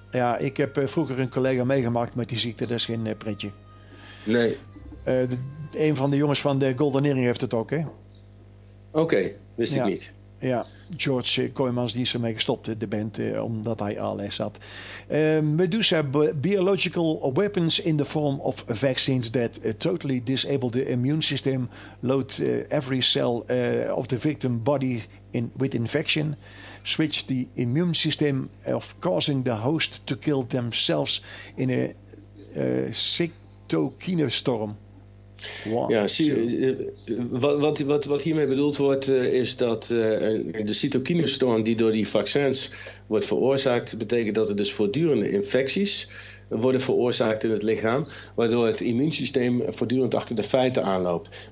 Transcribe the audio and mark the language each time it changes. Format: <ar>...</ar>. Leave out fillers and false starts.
<nl>Ja, ik heb vroeger een collega meegemaakt met die ziekte. Dat is geen pretje. Nee. Een van de jongens van de Golden Earring heeft het ook, hè? Oké, wist ik niet. Ja, George Kooijmans die is ermee gestopt, de band, omdat hij ALS had.</nl> <en>Medusa, biological weapons in the form of vaccines that totally disable the immune system, load every cell of the victim body in with infection, switch the immune system of causing the host to kill themselves in a cytokine storm.</en> <nl>One, ja, zie je, wat hiermee bedoeld wordt is dat de cytokinestorm die door die vaccins wordt veroorzaakt, betekent dat er dus voortdurende infecties worden veroorzaakt in het lichaam, waardoor het immuunsysteem voortdurend achter de feiten aanloopt.</nl>